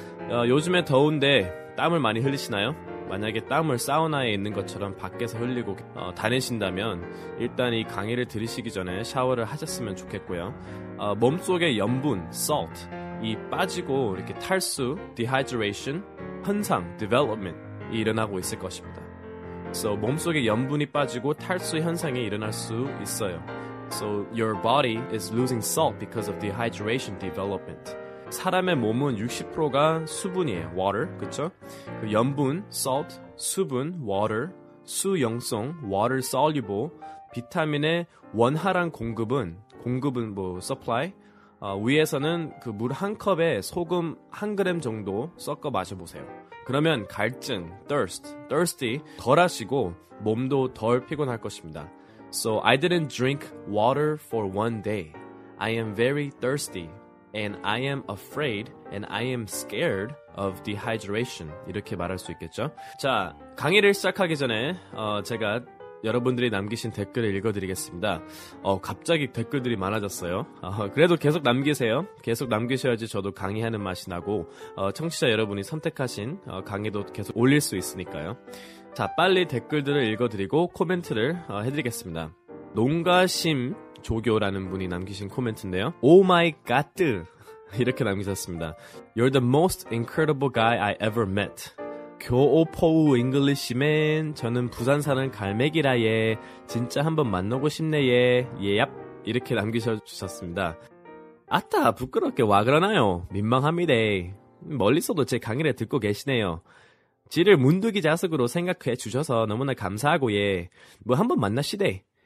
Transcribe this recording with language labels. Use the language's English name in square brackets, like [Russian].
[Korean] 요즘에 더운데 땀을 많이 흘리시나요? 만약에 땀을 사우나에 있는 것처럼 밖에서 흘리고 다니신다면 일단 이 강의를 들으시기 전에 샤워를 하셨으면 좋겠고요. 몸속의 염분, salt, 이 빠지고 이렇게 탈수, dehydration, 현상, development, 이 일어나고 있을 것입니다. So 몸속의 염분이 빠지고 탈수 현상이 일어날 수 있어요. [English] So your body is losing salt because of dehydration development. [Korean] 사람의 몸은 60%가 수분이에요. water, 그쵸? 그 염분, salt, 수분, water, 수용성, water soluble, 비타민의 원활한 공급은 뭐 supply, 위에서는 그 물 한 컵에 소금 한 그램 정도 섞어 마셔보세요. 그러면 갈증, thirsty, 덜 하시고 몸도 덜 피곤할 것입니다. [English] So I didn't drink water for one day. I am very thirsty. And I am afraid and I am scared of dehydration. [Korean] 이렇게 말할 수 있겠죠? 자, 강의를 시작하기 전에 제가 여러분들이 남기신 댓글을 읽어드리겠습니다. 갑자기 댓글들이 많아졌어요. 그래도 계속 남기세요. 계속 남기셔야지 저도 강의하는 맛이 나고 청취자 여러분이 선택하신 강의도 계속 올릴 수 있으니까요. 자, 빨리 댓글들을 읽어드리고 코멘트를 해드리겠습니다. 농가심 조교라는 분이 남기신 코멘트인데요. [English] Oh my god! [Korean] 이렇게 남기셨습니다. [English] You're the most incredible guy I ever met. [Korean] 교오포우 잉글리시맨. 저는 부산 사는 갈매기라 예. 진짜 한번 만나고 싶네 예. 예얍. 이렇게 남기셔주셨습니다. 아따 부끄럽게 와 그러나요? 민망합니다. 멀리서도 제 강의를 듣고 계시네요. 지를 문득이 자석으로 생각해 주셔서 너무나 감사하고 예. 뭐 한번 만나시대.